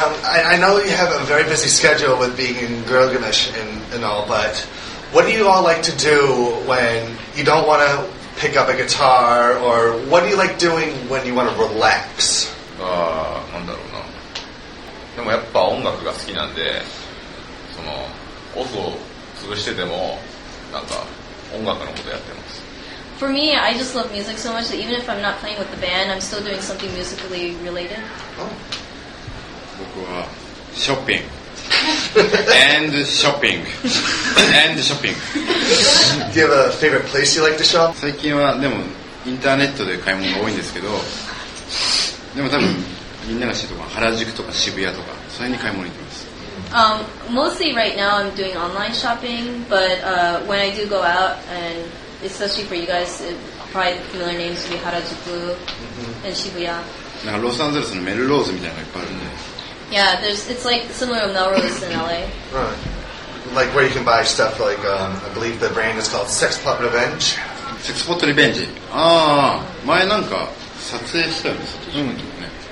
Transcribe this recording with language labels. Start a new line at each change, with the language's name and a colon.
English: I know you have a very busy schedule with being in Gilgamesh and all, but what do you all like to do when you don't want to pick up a guitar, or what do you like doing when you want to relax?
Japanese: あ、なんだろうな。でもやっぱ音楽が好きなんで、そのオフを潰しててもなんか音楽のことやってます。
English: For me, I just love music so much that even if I'm not playing with the band, I'm still doing something musically related.
Japanese: 僕はショッピング
English: and shopping and shopping. Do you have a favorite place you like to shop?
Japanese: 最近はでもインターネットで買い物が多いんですけど、でも多分みんなが知るとか原宿とか渋谷とかそれに買い物行きます。
English: Mostly right now I'm doing online shopping, but when I do go out, and especially for you guys, probably familiar names would be 原宿 and 渋谷。
Japanese: なんかロサンゼルスのメルローズみたいなのがいっぱいあるんで。
English: Yeah, it's like similar to Melrose in LA. Right. Like like where you can buy stuff like I believe the brand is called Sex Pot Revenge. Sex Pot Revenge.
Japanese: Ah, 前なんか撮影したよね。